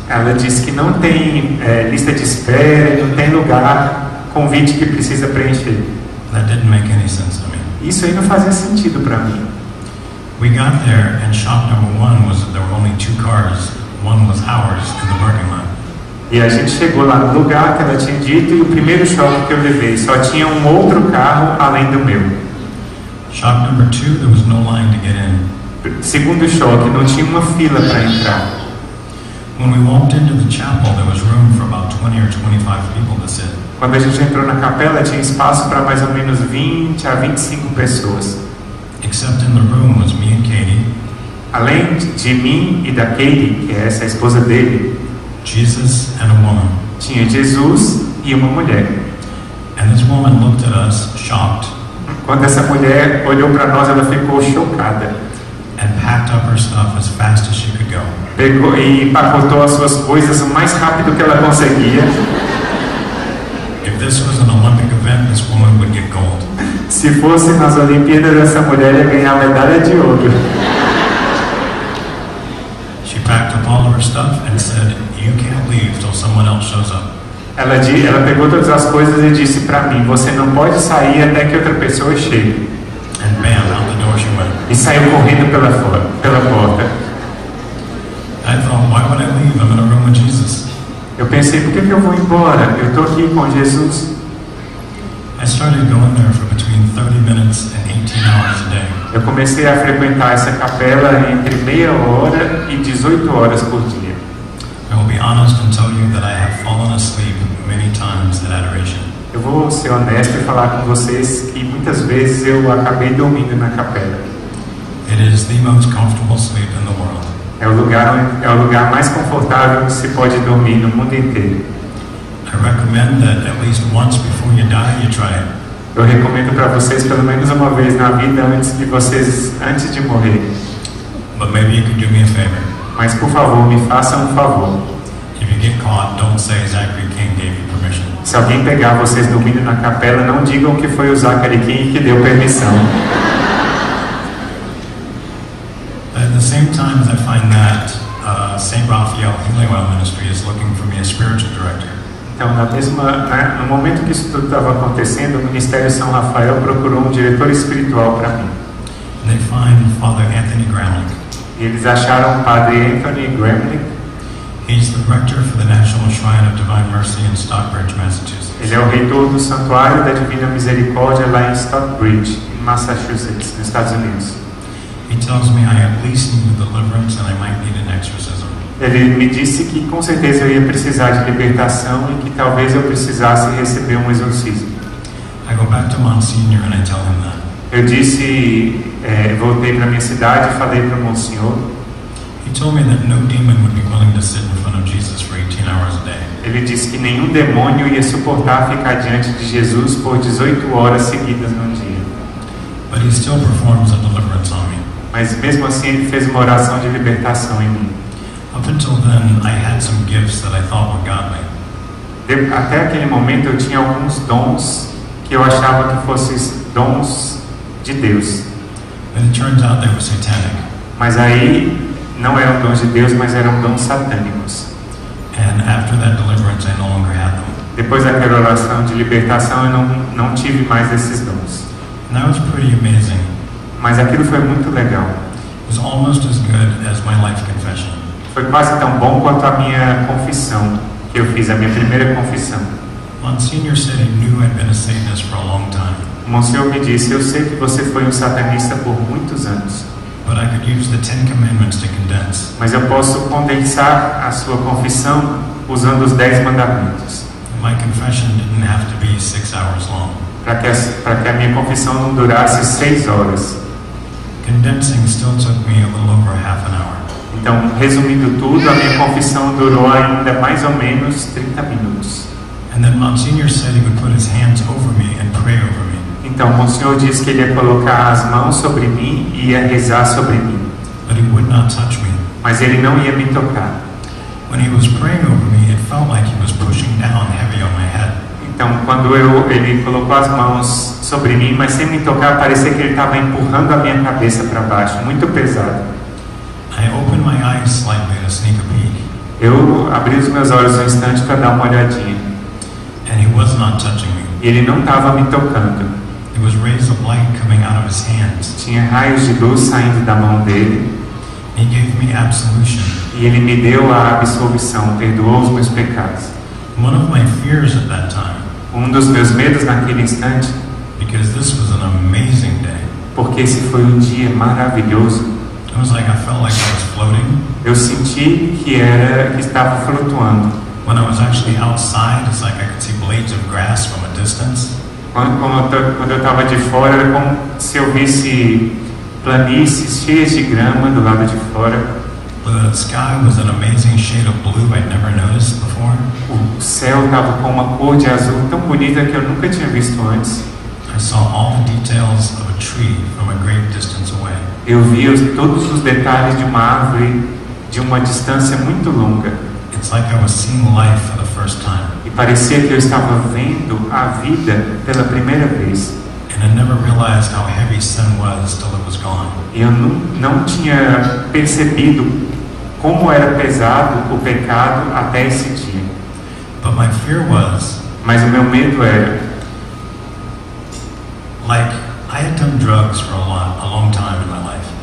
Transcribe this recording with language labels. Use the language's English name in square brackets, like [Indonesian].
[Portuguese] Ela disse que não tem lista de espera, não tem lugar, convite que precisa preencher. [English] That didn't make any sense to me. [Portuguese] Isso aí não fazia sentido para mim. [English] We got there and shop number one was there were only two cars. One was ours in the parking lot. [Portuguese] E a gente chegou lá no lugar que ela tinha dito e o primeiro choque que eu levei só tinha um outro carro além do meu. [English] Shock number two, there was no line to get in. [Portuguese] Segundo choque, não tinha uma fila para entrar. [English] When we walked into the chapel, there was room for about 20 or 25 people to sit. [Portuguese] Quando a gente entrou na capela, tinha espaço para mais ou menos 20 a 25 pessoas. [English] Except in the room was me and Katie. [Portuguese] Além de mim e da Katie, que é essa a esposa dele. [English] Jesus and a woman. [Portuguese] Tinha Jesus e uma mulher. [English] And this woman looked at us, shocked. [Portuguese] Quando essa mulher olhou para nós, ela ficou chocada. [English] And packed up her stuff as fast as she could go. [Portuguese] Pegou e empacotou as suas coisas o mais rápido que ela conseguia. [English] this was an Olympic event, this woman would get gold. [Portuguese] Se fosse nas Olimpíadas, essa mulher ia ganhar a medalha de ouro. [English] She packed up all her stuff and said, "You can't leave till someone else shows up." [Portuguese] Ela pegou todas as coisas e disse para mim, você não pode sair até que outra pessoa chegue. [English] And bam, out the door she went. [Portuguese] E saiu correndo pela porta. [English] I thought, why would I leave? I'm in a room with Jesus. [Portuguese] Eu pensei, por que eu vou embora? Eu estou aqui com Jesus. [English] I started going there for between 30 minutes and 18 hours a day. [Portuguese] Eu comecei a frequentar essa capela entre meia hora e 18 horas por dia. [English] I will be honest and tell you that I have fallen asleep many times at adoration. [Portuguese] Eu vou ser honesto e falar com vocês que muitas vezes eu acabei dormindo na capela. [English] It is the most comfortable sleep in the world. [Portuguese] É o lugar mais confortável que se pode dormir no mundo inteiro. [English] I recommend that at least once before you die, you try it. [Portuguese] Eu recomendo para vocês pelo menos uma vez na vida antes de morrer. [English] But maybe you could do me a favor. [Portuguese] Mas por favor, me faça um favor. [English] If you get caught, don't say Zachary King gave you permission. [Portuguese] Se alguém pegar vocês dormindo na capela, não digam que foi o Zachary King que deu permissão. [English] At the same time as I find that Saint Raphael Healing Well Ministry is looking for me a spiritual director. [Portuguese] Então, no momento que isso tudo estava acontecendo, o Ministério São Rafael procurou um diretor espiritual para mim. [English] They find Father Anthony Gramlich. [Portuguese] Eles acharam o Padre Anthony Gramlich. [English] He's the rector for the National Shrine of Divine Mercy in Stockbridge, Massachusetts. [Portuguese] Ele é o reitor do Santuário da Divina Misericórdia lá em Stockbridge, Massachusetts, nos Estados Unidos. [English] He tells me I at least need deliverance and I might need an exorcism. [Portuguese] Ele me disse que com certeza eu ia precisar de libertação e que talvez eu precisasse receber um exorcismo. [English] I go back to Monsignor and I tell him that. [Portuguese] Eu disse, voltei para minha cidade e falei para o Monsenhor. [English] He told me that no demon would be willing to sit in front of Jesus for 18 hours a day. [Portuguese] Ele disse que nenhum demônio ia suportar ficar diante de Jesus por 18 horas seguidas num dia. [English] But he still performs a deliverance on me. [Portuguese] Mas mesmo assim ele fez uma oração de libertação em mim. [English] Up until then, I had some gifts that I thought were godly. [Portuguese] Até aquele momento eu tinha alguns dons que eu achava que fossem dons de Deus. [English] And it turns out they were satanic. [Portuguese] Mas aí não eram dons de Deus, mas eram dons satânicos. [English] And after that deliverance, I no longer had them. [Portuguese] Depois daquela oração de libertação, eu não tive mais esses dons. [English] And that was pretty amazing. [Portuguese] Mas aquilo foi muito legal. [English] It was almost as good as my life confession. [Portuguese] Foi quase tão bom quanto a minha confissão que eu fiz, a minha primeira confissão. [English] Monsignor said he knew I'd been a Satanist for a long time. [Portuguese] O Monsenhor me disse, eu sei que você foi um satanista por muitos anos. [English] But I could use the Ten Commandments to condense. [Portuguese] Mas eu posso condensar a sua confissão usando os 10 mandamentos. [English] My confession didn't have to be 6 hours long. [Portuguese] Para que a minha confissão não durasse 6 horas. [English] Condensing still took me a little over half an hour. [Portuguese] Então, resumindo tudo, a minha confissão durou ainda mais ou menos 30 minutos. [English] And then Monsignor said he would put his hands over me and pray over me. [Portuguese] Então, o Senhor disse que ele ia colocar as mãos sobre mim e ia rezar sobre mim. [English] But he would not touch me. [Portuguese] Mas ele não ia me tocar. [English] When he was praying over me, it felt like he was pushing down heavy on my head. [Portuguese] Então, quando ele colocou as mãos sobre mim, mas sem me tocar, parecia que ele estava empurrando a minha cabeça para baixo, muito pesado. [English] I opened my eyes slightly to sneak a peek. [Portuguese] Eu abri os meus olhos um instante para dar uma olhadinha. [English] And he was not touching me. [Portuguese] E ele não estava me tocando. [English] There was rays of light coming out of his hands. [Portuguese] Tinha raios de luz saindo da mão dele. [English] He gave me absolution. [Portuguese] E ele me deu a absolvição, perdoou os meus pecados. [English] One of my fears at that time. [Portuguese] Um dos meus medos naquele instante. [English] Because this was an amazing day. [Portuguese] Porque esse foi um dia maravilhoso. [English] It was like I felt like I was floating. [Portuguese] Eu senti que estava flutuando. [English] When I was actually outside, it's like I could see blades of grass from a distance. [Portuguese] Quando eu estava de fora, era como se eu visse planícies cheias de grama do lado de fora. [English] The sky was an amazing shade of blue I'd never noticed before. [Portuguese] O céu estava com uma cor de azul tão bonita que eu nunca tinha visto antes. [English] I saw all the details of a tree from a great distance away. [Portuguese] Eu vi todos os detalhes de uma árvore de uma distância muito longa. [English] It's like I was seeing life for the first time. [Portuguese] E parecia que eu estava vendo a vida pela primeira vez. [English] And I never realized how heavy sin was till it was gone. [Portuguese] Eu não tinha percebido como era pesado o pecado até esse dia. [English] But my fear was, [Portuguese] mas o meu medo era, [English] like I had done drugs for a long time in my life.